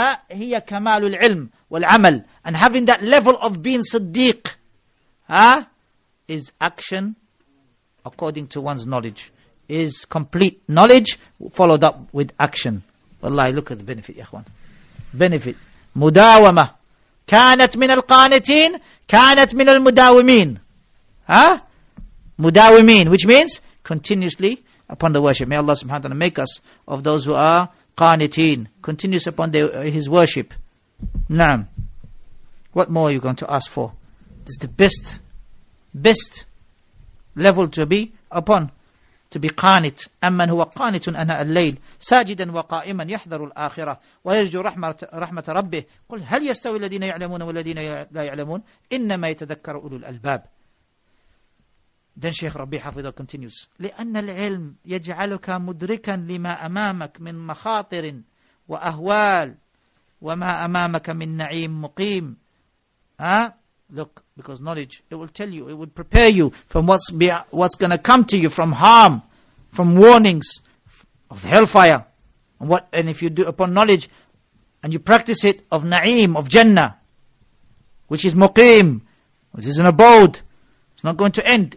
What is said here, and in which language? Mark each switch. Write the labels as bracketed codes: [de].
[ar] هي كمال العلم والعمل. [en] And having that level of being صديق is action according to one's knowledge. Is complete knowledge followed up with action. Wallahi, look at the benefit, ya akhwan. Benefit. مداومة. [ar] كانت من القانتين, كانت من المداومين. [en] مداومين, which means continuously upon the worship. May Allah subhanahu wa ta'ala make us of those who are قانتين, continuous upon his worship. [ar] نعم. [en] What more are you going to ask for? This is the best level to be upon. To be qanit. [ar] أَمَّنْ هُوَ قَانِتٌ أَنَاءَ اللَّيْلِ سَاجِدًا وَقَائِمًا يَحْذَرُ الْآخِرَةِ وَيَرْجُ رَحْمَةَ رَبِّهِ قُلْ هَلْ يَسْتَوِي الَّذِينَ يَعْلَمُونَ وَالَّذِينَ لَا يَعْلَمُونَ إِنَّمَا يَتَذَكَّرُ أُولُو الْأَلْبَابِ. [en] Then Shaykh Rabbi Hafidh continues, [ar] لِأَنَّ الْعِلْمِ يَجْعَلُكَ مُدْرِكًا لِمَا أَمَامَكَ مِنْ مَخَاطِرٍ وَأَهْوَالٍ وَمَا أَمَامَكَ مِنْ نَعِيمٍ مُقِيمٍ. [en] Look, because knowledge, it will tell you, it will prepare you from what's going to come to you, from harm, from warnings, of hellfire. And what? And if you do upon knowledge, and you practice it, of na'im, of Jannah, which is muqim, which is an abode, it's not going to end.